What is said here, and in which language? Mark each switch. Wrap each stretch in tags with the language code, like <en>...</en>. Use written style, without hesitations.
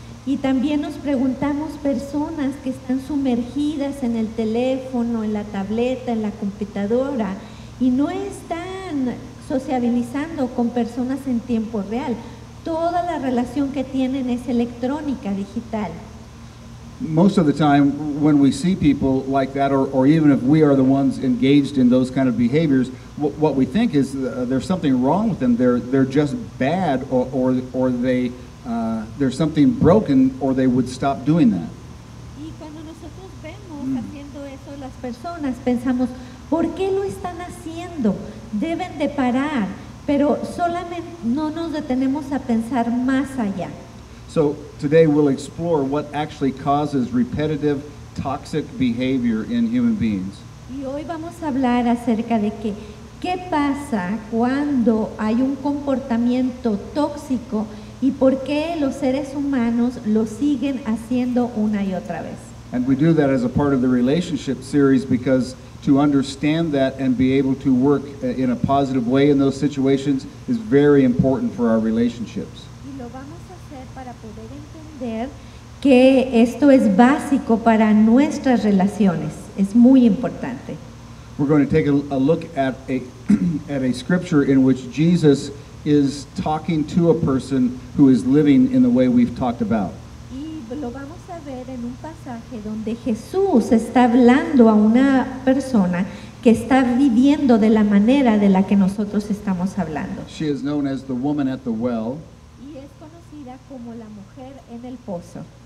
<es>Y también nos preguntamos personas que están sumergidas en el teléfono, en la tableta, en la computadora y no están sociabilizando con personas en tiempo real. Toda la relación que tienen es electrónica, digital.</es> <en>Most of the time when we see people like that or even if we are the ones engaged in those kind of behaviors, what we think is there's something wrong with them. They're just bad or they there's something broken or they would stop doing that.</en> <es>Y cuando nosotros vemos haciendo eso las personas, pensamos, ¿por qué lo están haciendo? Deben de parar, pero solamente no nos detenemos a pensar más allá.</es> <en>So today we'll explore what actually causes repetitive, toxic behavior in human beings.</en> <es>Y hoy vamos a hablar acerca de que, ¿qué pasa cuando hay un comportamiento tóxico? ¿Y por qué los seres humanos lo siguen haciendo una y otra vez?</es> <en>And we do that as a part of the relationship series because to understand that and be able to work in a positive way in those situations is very important for our relationships.</en> <es>Y lo vamos a hacer para poder entender que esto es básico para nuestras relaciones. Es muy importante.</es> <en>We're going to take a look at a scripture in which Jesus is talking to a person who is living in the way we've talked about.</en> <es>Y lo vamos a ver en un pasaje donde Jesús está hablando a una persona que está viviendo de la manera de la que nosotros estamos hablando.</es> <en>She is known as the woman at the well.</en> <es>Y es conocida como la mujer en el pozo.</es>